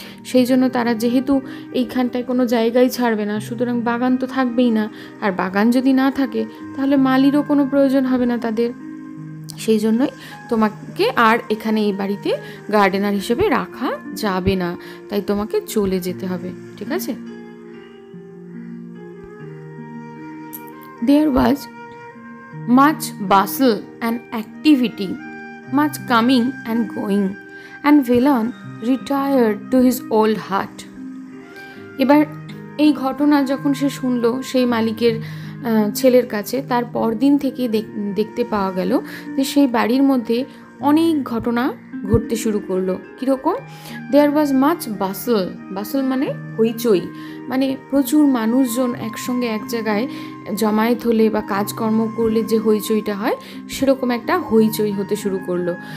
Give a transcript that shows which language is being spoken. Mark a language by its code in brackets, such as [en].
[bn] সেই জন্য তারা যেহেতু এইখানটায় কোনো জায়গাই ছাড়বে না, সুতরাং বাগান তো থাকবেই না, আর বাগান যদি না থাকে তাহলে মালিরও কোনো প্রয়োজন হবে না তাদের, সেই জন্যই তোমাকে আর এখানে এই বাড়িতে গার্ডেনার হিসেবে রাখা যাবে না, তাই তোমাকে চলে যেতে হবে, ঠিক আছে? [en] There was much bustle and activity, much coming and going, and Villon retired to his old hut. [bn] এবার এই ঘটনা যখন সে শুনলো সেই মালিকের ছেলের কাছে, তার পরদিন থেকে দেখতে পাওয়া গেল যে সেই বাড়ির মধ্যে অনেক ঘটনা ঘটতে শুরু করলো। কীরকম? [en] there was much bustle, [bn] বাসল মানে হইচই, মানে প্রচুর মানুষজন একসঙ্গে এক জায়গায় জমায়েত হলে বা কাজকর্ম করলে যে হইচইটা হয় সেরকম একটা হইচই হতে শুরু করলো।